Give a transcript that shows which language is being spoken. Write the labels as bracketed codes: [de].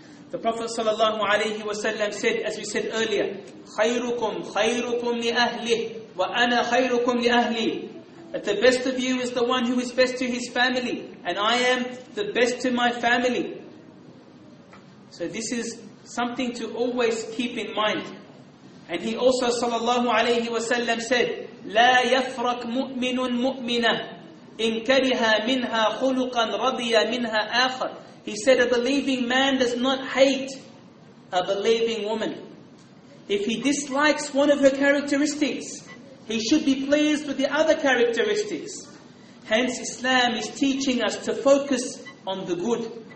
[en] The Prophet sallallahu alayhi wa sallam said, as we said earlier, [ar] خَيْرُكُمْ خَيْرُكُمْ لِأَهْلِهِ وَأَنَا خَيْرُكُمْ لِأَهْلِهِ. [en] That the best of you is the one who is best to his family, and I am the best to my family. So this is something to always keep in mind. And he also sallallahu alayhi wa sallam said, [ar] لَا يَفْرَكْ مُؤْمِنٌ مُؤْمِنَةٌ إِنْ كَرِهَا مِنْهَا خُلُقًا رَضِيَ مِنْهَا آخَرٌ. [en] He said, a believing man does not hate a believing woman. If he dislikes one of her characteristics, he should be pleased with the other characteristics. Hence, Islam is teaching us to focus on the good.